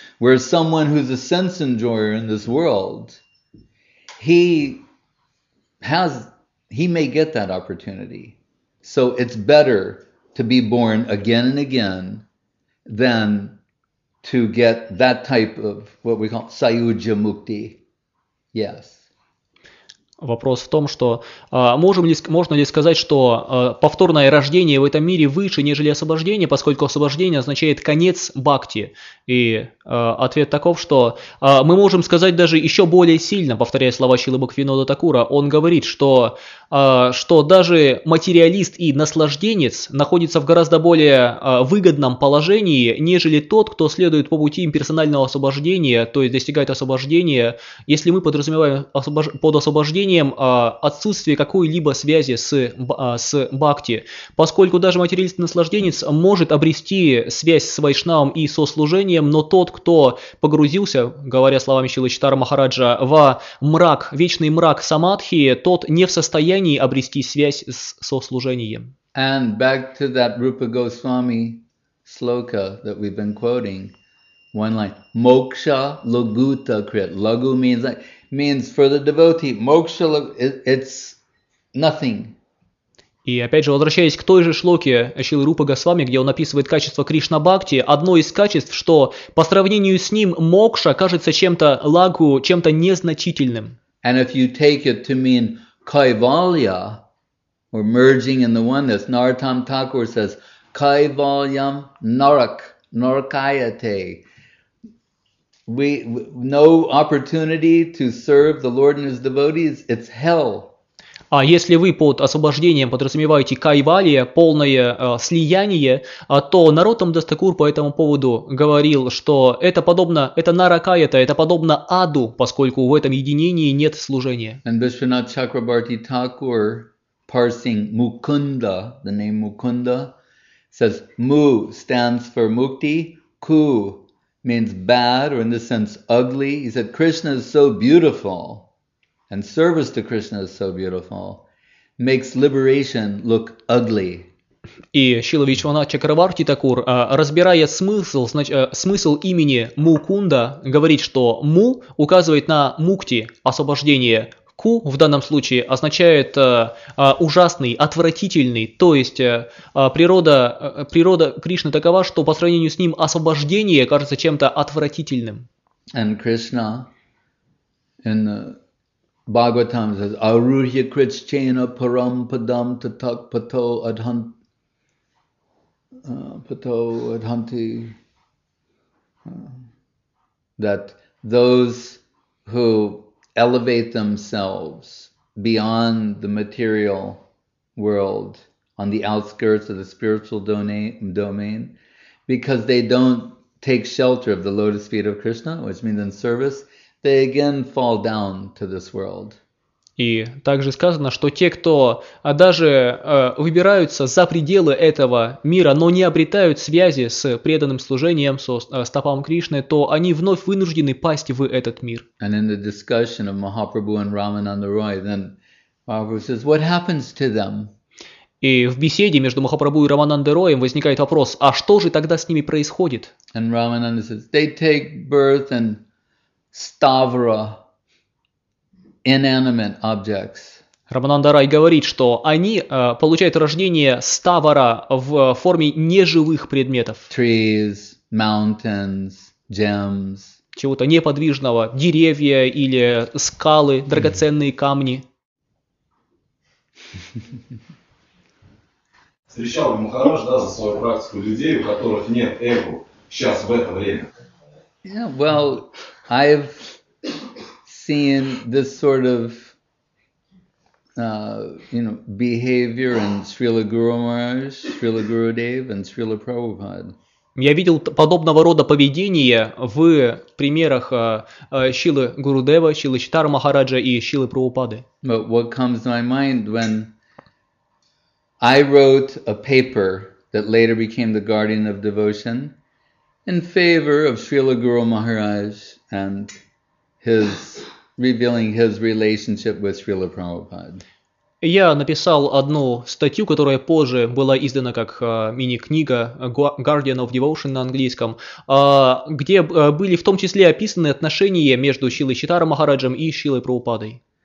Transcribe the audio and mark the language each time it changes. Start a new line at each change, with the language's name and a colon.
English: Whereas someone who's a sense enjoyer in this world, he may get that opportunity. So it's better to be born again and again than to get that type of what we call sayujya mukti. Yes.
Russian: Вопрос в том, что можно ли сказать, что повторное рождение в этом мире выше, нежели освобождение, поскольку освобождение означает конец бхакти? И ответ таков, что мы можем сказать даже еще более сильно, повторяя слова Шрилы Бхактивинода Такура, он говорит, что даже материалист и наслажденец находится в гораздо более выгодном положении, нежели тот, кто следует по пути имперсонального освобождения, то есть достигает освобождения, если мы подразумеваем под освобождение отсутствие какой-либо связи с бхакти, поскольку даже материалист-наслажденец может обрести связь с вайшнавом и со служением, но тот, кто погрузился, говоря словами Шрилы Чайтанья Махараджа, во мрак, вечный мрак самадхи, тот не в состоянии обрести связь со служением.
English: And back to that Rupa Goswami sloka that we've been quoting, one line, moksha laguta krit, lagu means like, means for the devotee, moksha, it's nothing.
Russian: И опять же, возвращаясь к той же шлоке Шрилы Рупы Госвами, где он описывает качество Кришна-бхакти, одно из качеств, что по сравнению с ним мокша кажется чем-то лагу, чем-то незначительным.
English: And if you take it to mean kaivalya, or merging in the oneness, Narottam Thakur says,
Sanskrit: kaivalyam narak, narakayate.
English: We no opportunity to serve the Lord and His devotees. It's hell.
Russian: А если вы под освобождением подразумеваете кайвалья, полное слияние, то Нароттам Дас Такур по этому поводу говорил, что это подобно, это наракаята, это подобно аду, поскольку в этом единении нет служения.
English: And Vishwanath Chakrabarti Thakur, parsing Mukunda, the name Mukunda, says Mu stands for Mukti, Ku means bad, or in this sense, ugly. He said, Krishna is so beautiful, and service to Krishna is so beautiful, makes liberation look ugly.
Russian: И Шрила Вишванатха Чакраварти Такур, разбирая смысл, смысл имени Мукунда, говорит, что Му указывает на мукти, освобождение. Ку в данном случае означает ужасный, отвратительный, то есть природа Кришны такова, что по сравнению с ним освобождение кажется чем-то отвратительным.
English: And Krishna in the Bhagavatam says,
Sanskrit: Aruhya Krishchena Param Padam Tatak Pato Adhanti,
English: that those who elevate themselves beyond the material world on the outskirts of the spiritual domain because they don't take shelter of the lotus feet of Krishna, which means in service, they again fall down to this world.
Russian: И также сказано, что те, кто даже выбираются за пределы этого мира, но не обретают связи с преданным служением, со стопам Кришны, то они вновь вынуждены пасть в этот мир.
English: And in the discussion of Mahaprabhu and Ramananda Roy, then Mahaprabhu says, what happens to them?
Russian: И в беседе между Махапрабху и Раманандой Роем возникает вопрос, а что же тогда с ними происходит?
English: And Ramananda says, they take birth in Stavra, inanimate objects.
Russian: Рамананда Рай говорит, что они получают рождение ставара в форме неживых предметов.
English: Trees, mountains, gems.
Russian: Чего-то неподвижного, деревья или скалы, драгоценные камни. Встречал бы Махарадж, да, за свою практику людей, у которых нет эго сейчас, в это время.
English: Yeah, well, I've seen this sort of behavior in Srila Guru Maharaj, Srila Guru Dev, and Srila Prabhupada.
Russian: Я видел подобного рода поведение в примерах Шилы Гурудева, Шилы Читара Махараджа и Шилы Прабхупады.
English: But what comes to my mind when I wrote a paper that later became the Guardian of Devotion in favor of Srila Guru Maharaj and his revealing his relationship with Srila Prabhupada.
Russian: Я написал одну статью, которая позже была издана как мини-книга Guardian of Devotion на английском, где были в том числе описаны отношения между Шилой Читара Махараджем и Шилой Прабхупадой.